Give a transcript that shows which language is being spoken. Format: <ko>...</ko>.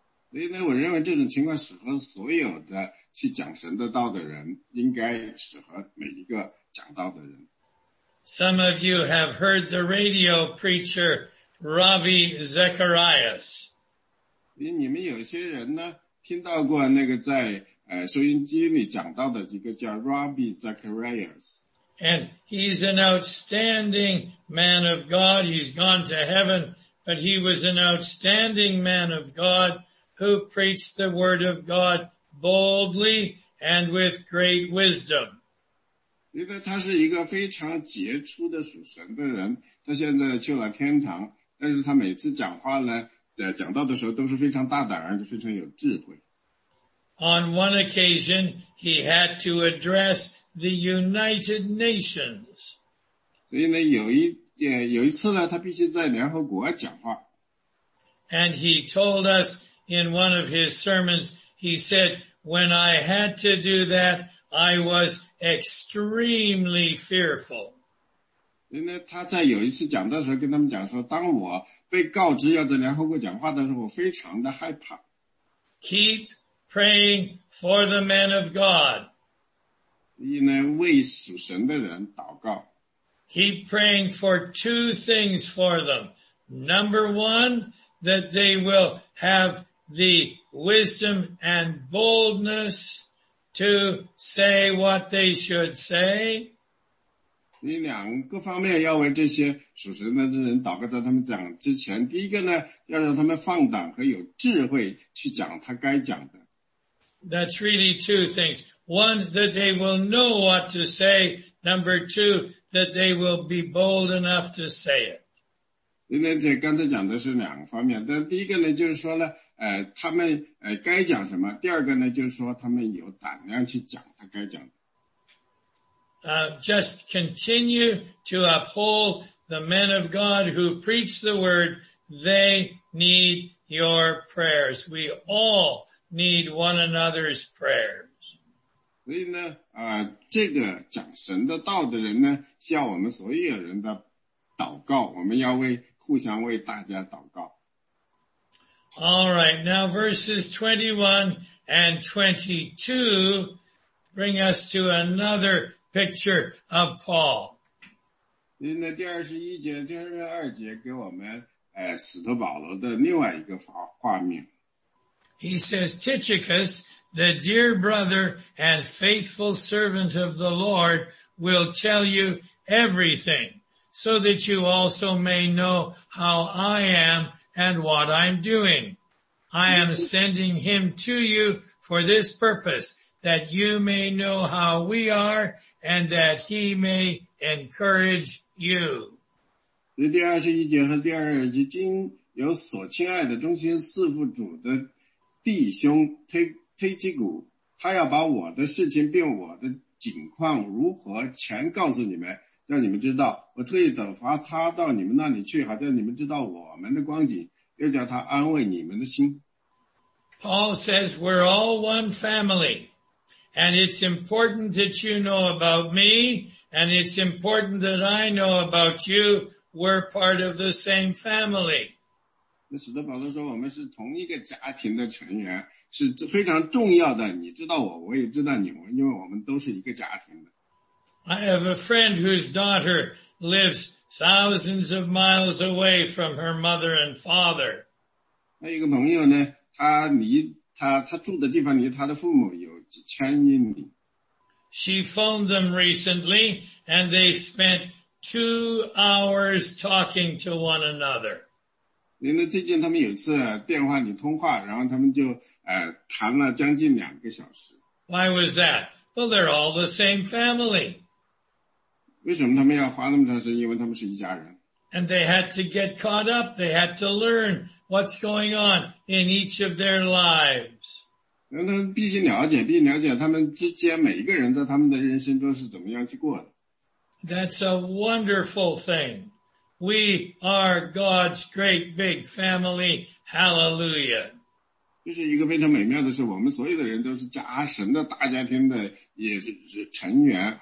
<zh>所以呢，我认为这种情况适合所有的去讲神的道的人，应该适合每一个讲道的人。</zh> <en>Some of you have heard the radio preacher Ravi Zacharias.</en> <zh>所以你们有些人呢，听到过那个在收音机里讲到的一个叫 Ravi Zacharias。</zh> <en>And he's an outstanding man of God. He's gone to heaven, but he was an outstanding man of God who preached the word of God boldly and with great wisdom.</en> <zh>因为他是一个非常杰出的属神的人，他现在去了天堂，但是他每次讲话呢，讲到的时候都是非常大胆，而且非常有智慧。</zh> <en>On one occasion, he had to address the United Nations.</en> <zh>所以呢，有一次呢，他必须在联合国讲话。</zh> <en>And he told us in one of his sermons, he said, when I had to do that, I was extremely fearful.</en> <zh>所以呢，他在有一次讲的时候跟他们讲说，当我被告知要在联合国讲话的时候，我非常的害怕。</zh> <en>Keep praying for the men of God.</en> <zh>为属神的人祷告。</zh> <en>Keep praying for two things for them. Number one, that they will have the wisdom and boldness to say what they should say.</en> <zh>你两个方面要为这些属神的人祷告，在他们讲之前，第一个呢，要让他们放胆和有智慧去讲他该讲的。</zh> <en>That's really two things. One, that they will know what to say. Number two, that they will be bold enough to say it.</en> <zh>今天这刚才讲的是两个方面，但第一个呢，就是说呢，他们该讲什么？第二个呢，就是说他们有胆量去讲他该讲的。</zh> <en>Just continue to uphold the men of God who preach the word. They need your prayers. We all need one another's prayers.</en> <zh>所以呢，这个讲神的道的人呢，需要我们所有人的祷告。我们要为互相为大家祷告。</zh> <en>All right, now verses 21 and 22 bring us to another picture of Paul.</en> <zh>那第二十一节、第二十二节给我们使徒保罗的另外一个画面。</zh> <en>He says, Tychicus, the dear brother and faithful servant of the Lord, will tell you everything. So that you also may know how I am and what I'm doing. I am sending him to you for this purpose, that you may know how we are and that he may encourage you.</en> <zh>第二十一节和第二十二节，今有所亲爱的忠心侍奉主的弟兄推基古，他要把我的事情并我的景况如何全告诉你们。让你们知道，我特意等罚他到你们那里去，好叫你们知道我们的光景，又叫他安慰你们的心。</zh> <en>Paul says, we're all one family, and it's important that you know about me, and it's important that I know about you, we're part of the same family.</en> <zh>那使徒保罗说，我们是同一个家庭的成员，是非常重要的，你知道我，我也知道你，因为我们都是一个家庭的。</zh> <en>I have a friend whose daughter lives thousands of miles away from her mother and father.</en> <zh>那一个朋友呢，他住的地方离他的父母有几千英里。</zh> <en>She phoned them recently and they spent 2 hours talking to one another.</en> <zh>那最近他们有次电话里通话，然后他们就谈了将近两个小时。</zh> <en>Why was that? Well, they're all the same family.</en> <zh>为什么他们要花那么长时间？因为他们是一家人。</zh> <en>And they had to get caught up. They had to learn what's going on in each of their lives.</en> <zh>那他们必须了解，必须了解他们之间每一个人在他们的人生中是怎么样去过的。</zh> <en>That's a wonderful thing. We are God's great big family. Hallelujah.</en> <zh>这是一个非常美妙的事。我们所有的人都是家神的大家庭的也是成员。</zh>